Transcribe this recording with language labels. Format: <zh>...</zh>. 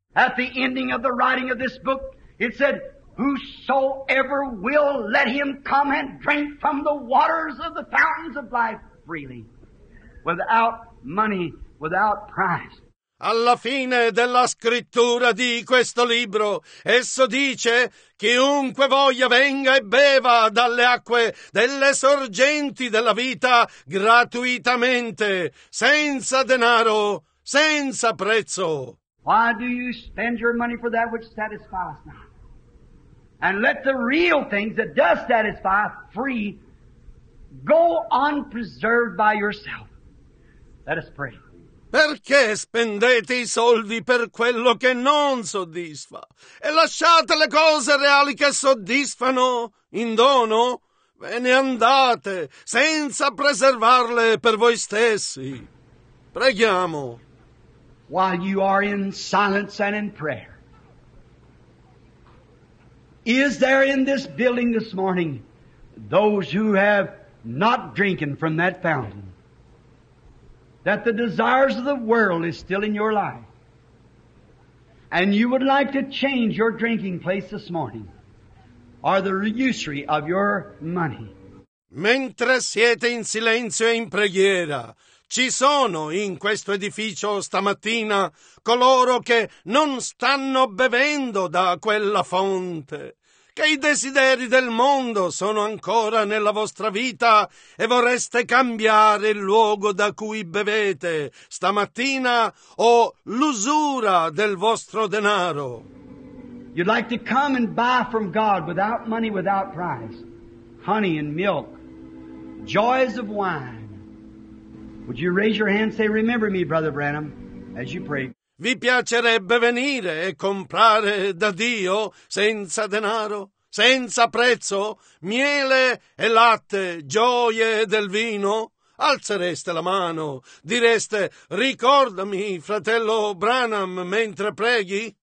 <en>At the ending of the writing of this book, it said, whosoever will, let him come and drink from the waters of the fountains of life freely, without money, without price.</en> <it>Alla fine della scrittura di questo libro, esso dice, chiunque voglia venga e beva dalle acque delle sorgenti della vita gratuitamente, senza denaro, senza prezzo.</it> <en>Why do you spend your money for that which satisfies not? And let the real things that does satisfy free go unpreserved by yourself. Let us pray.</en> <it>Perché spendete i soldi per quello che non soddisfa? E lasciate le cose reali che soddisfano in dono? Ve ne andate senza preservarle per voi stessi. Preghiamo.</it> <en>While you are in silence and in prayer, Is there in this building this morning those who have not drinking from that fountain? That the desires of the world is still in your life. And you would like to change your drinking place this morning. Or the usury of your money.</en> <it>Mentre siete in silenzio e in preghiera, ci sono in questo edificio stamattina coloro che non stanno bevendo da quella fonte, che i desideri del mondo sono ancora nella vostra vita e vorreste cambiare il luogo da cui bevete stamattina o l'usura del vostro denaro.</it> <en>You'd like to come and buy from God without money, without price, honey and milk, joys of wine. Would you raise your hand and say, remember me, Brother Branham, as you pray.</en> <it>Vi piacerebbe venire e comprare da Dio senza denaro, senza prezzo, miele e latte, gioie del vino? Alzereste la mano, direste, ricordami, fratello Branham, mentre preghi.</it>